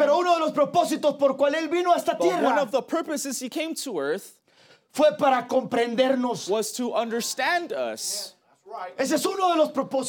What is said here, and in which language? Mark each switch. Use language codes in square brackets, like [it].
[es] Pero uno de los propósitos por cual él vino a esta tierra. [en] One of the purposes he came to earth. [es] Fue para comprendernos. [en] Was to understand us. [es] Ese es uno de los propósitos.